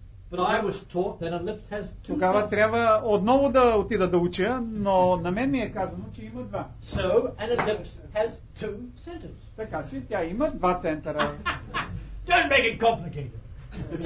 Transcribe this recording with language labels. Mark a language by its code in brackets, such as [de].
[en] But I was taught that an ellipse has two. [bg] Тогава трябва отново да отида да уча, но на мен ми е казано, че има два. [en] So an ellipse has two centers. [bg] Така че тя има два центъра. [en] Don't make it complicated.